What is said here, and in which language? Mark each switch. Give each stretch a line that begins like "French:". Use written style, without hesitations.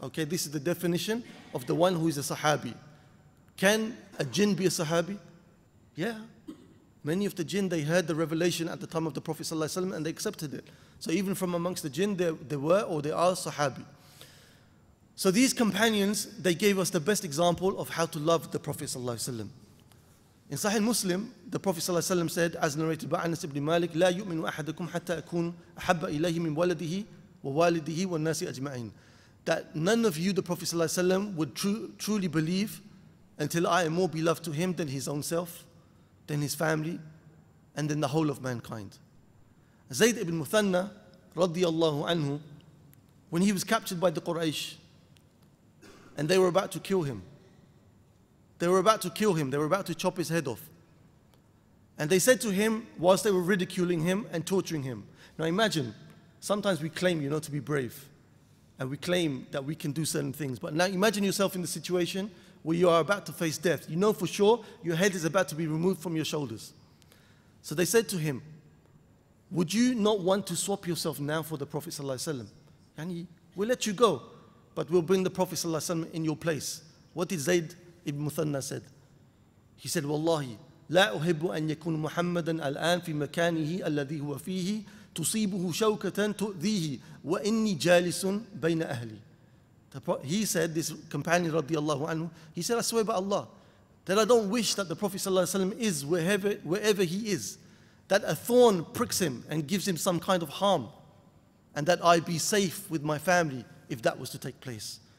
English: Okay, this is the definition of the one who is a Sahabi. Can a jinn be a Sahabi? Yeah. Many of the jinn, they heard the revelation at the time of the Prophet ﷺ and they accepted it. So even from amongst the jinn, they were or they are Sahabi. So these companions, they gave us the best example of how to love the Prophet ﷺ. In Sahih Muslim, the Prophet ﷺ said, as narrated by Anas ibn Malik,
Arabic: لا يؤمن أحدكم حتى أكون أحب إليه من ولده ووالده والناس أجمعين.
English: That none of you, the Prophet ﷺ, would truly believe until I am more beloved to him than his own self, than his family, and than the whole of mankind. Zayd ibn Muthanna, رضي الله عنه, when he was captured by the Quraysh, and they were about to kill him. They were about to kill him. They were about to chop his head off. And they said to him, whilst they were ridiculing him and torturing him. Now imagine, sometimes we claim, you know, to be brave. And we claim that we can do certain things. But now imagine yourself in the situation where you are about to face death. You know for sure your head is about to be removed from your shoulders. So they said to him, would you not want to swap yourself now for the Prophet Sallallahu Alaihi Wasallam? And he will let you go, but we'll bring the Prophet Sallallahu Alaihi Wasallam in your place. What did Zayd ibn Muthanna said? He said, Wallahi,
Arabic: لا أحب أن يكون محمدا الآن في مكانه الذي هو فيه تصيبه شوكة تؤذيه وإني جالس بين أهلي.
English: He said, this companion رضي الله عنه, he said, I swear by Allah that I don't wish that the Prophet Sallallahu Alaihi Wasallam is wherever he is, that a thorn pricks him and gives him some kind of harm, and that I be safe with my family if that was to take place.